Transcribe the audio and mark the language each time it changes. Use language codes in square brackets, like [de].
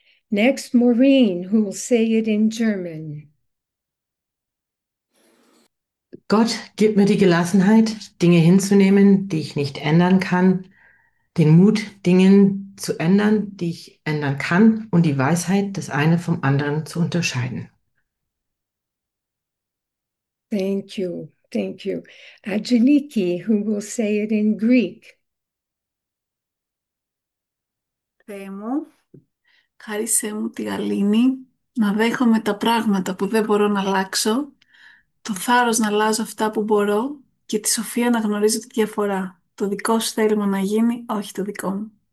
[en] Next, Maureen, who will say it in German. [de] Gott, gib mir die Gelassenheit, Dinge hinzunehmen, die ich nicht ändern kann, den Mut, Dinge zu ändern, die ich ändern kann, und die Weisheit, das eine vom anderen zu unterscheiden. [en] Thank you. Thank you. Angeliki, who will say it in Greek. [el] Θεέ μου, χάρισέ μου τη γαλήνη να δέχομαι τα πράγματα που δεν μπορώ να αλλάξω, το θάρρος να αλλάζω αυτά που μπορώ και τη σοφία να γνωρίζω τη διαφορά. Το δικό σου θέλημα να γίνει, όχι το δικό μου.